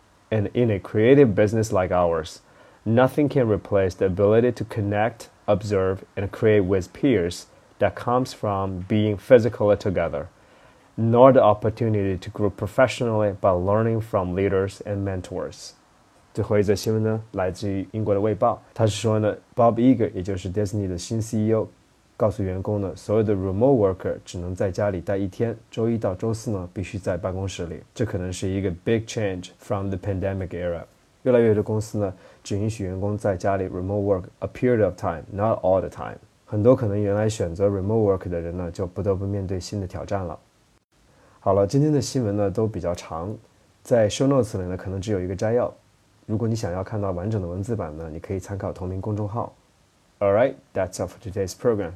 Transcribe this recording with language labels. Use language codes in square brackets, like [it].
[en] And in a creative business like ours, nothing can replace the ability to connect, observe, and create with peers that comes from being physically together, nor the opportunity to grow professionally by learning from leaders and mentors. [zh] 最后一则新闻呢，来自于英国的《卫报》，他是说呢， Bob Iger 也就是 Disney 的新 CEO， 告诉员工呢，所有的 remote worker 只能在家里待一天，周一到周四呢必须在办公室里。这可能是一个 [en] big change from the pandemic era。 [zh] 越来越多公司呢只允许员工在家里 [en] remote work a period of time， not all the time。 [zh] 很多可能原来选择 remote work 的人呢就不得不面对新的挑战了。好了，今天的新闻呢都比较长，在 show notes 里呢可能只有一个摘要。如果你想要看到完整的文字版呢，你可以参考同名公众号。 [en] All right, that's all for today's program.